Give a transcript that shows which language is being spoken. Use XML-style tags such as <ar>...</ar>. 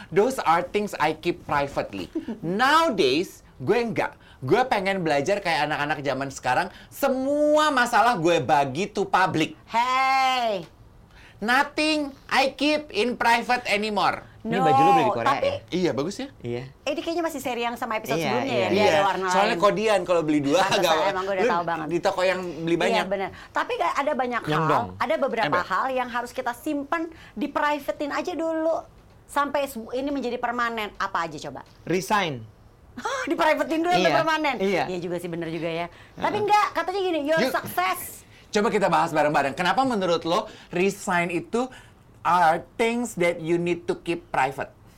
<en>Those are things I keep privately.</en> <id>Nowadays, gue enggak. Gue pengen belajar kayak anak-anak zaman sekarang, semua masalah gue bagi to public. Hey!</id> <en>Nothing I keep in private anymore.</en> <id>No, ini baju lu beli di Korea tapi, ya? Iya, bagus ya? Iya. Ini kayaknya masih seri yang sama episode sebelumnya ya? Iya, warna soalnya lain. Kodian kalau beli dua agak emang gue udah tahu banget. Di toko yang beli banyak. Iya, benar. Tapi ada banyak yang hal, dong. Ada beberapa hal yang harus kita simpen, di private-in aja dulu. Sampai ini menjadi permanen. Apa aja coba? Resign. Di private-in dulu sampai permanen? Iya. Iya juga sih, benar juga ya. Tapi enggak, katanya gini,</id> <en>your success.</en> <id>Coba kita bahas bareng-bareng. Kenapa menurut lo resign itu</id> <en>are things that you need to keep private?</en>